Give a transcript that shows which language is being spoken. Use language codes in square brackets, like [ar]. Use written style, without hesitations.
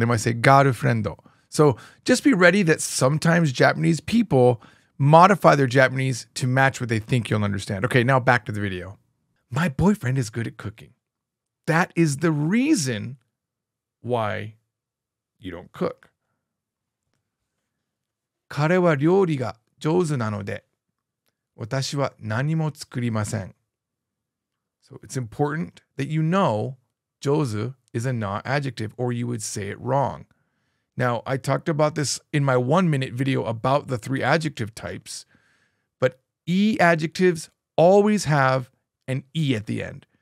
[en] They might say garufrendo. So just be ready that sometimes Japanese people modify their Japanese to match what they think you'll understand. Okay, now back to the video. My boyfriend is good at cooking. That is the reason why you don't cook. [ja] 彼は料理が上手なので、私は何も作りません。 [en] So it's important that you know 上手 is a not adjective, or you would say it wrong. Now, I talked about this in my 1 minute video about the three adjective types, but E adjectives always have an E at the end.